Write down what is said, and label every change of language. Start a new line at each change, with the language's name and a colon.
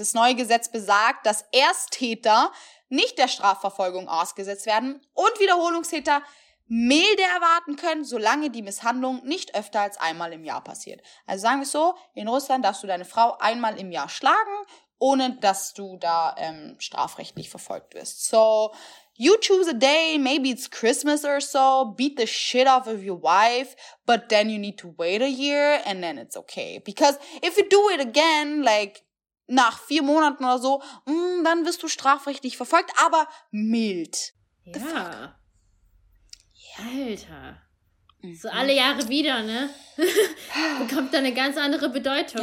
German: Das neue Gesetz besagt, dass Ersttäter nicht der Strafverfolgung ausgesetzt werden und Wiederholungstäter milde erwarten können, solange die Misshandlung nicht öfter als einmal im Jahr passiert. Also sagen wir es so, in Russland darfst du deine Frau einmal im Jahr schlagen, ohne dass du da strafrechtlich verfolgt wirst.
English: So, you choose a day, maybe it's Christmas or so, beat the shit off of your wife, but then you need to wait a year and then it's okay. Because if you do it again, like
German: nach 4 Monaten oder so, dann wirst du strafrechtlich verfolgt, aber mild. Ja. Yeah. Alter. So alle Jahre wieder, ne? Bekommt da eine ganz andere Bedeutung.